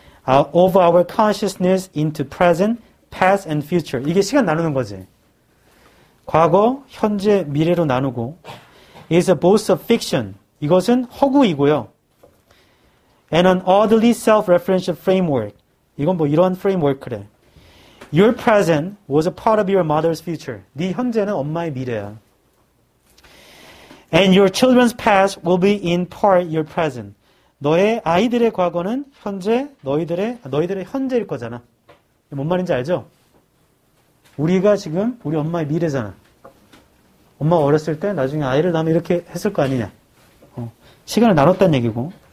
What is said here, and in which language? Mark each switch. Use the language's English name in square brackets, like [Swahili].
[English] Of our consciousness into present, past and future. [Korean] 이게 시간 나누는 거지. 과거, 현재, 미래로 나누고. [English] It's a both a fiction. [Korean] 이것은 허구이고요. [English] And an orderly self-referential framework. [Korean] 이건 뭐 이런 프레임워크래. [English] Your present was a part of your mother's future. [Korean] 네 현재는 엄마의 미래야. [English] And your children's past will be in part your present. [Korean] 너의 아이들의 과거는 현재 너희들의 현재일 거잖아. 뭔 말인지 알죠? 우리가 지금 우리 엄마의 미래잖아. 엄마가 어렸을 때 나중에 아이를 낳으면 이렇게 했을 거 아니냐. 시간을 나눴다는 얘기고.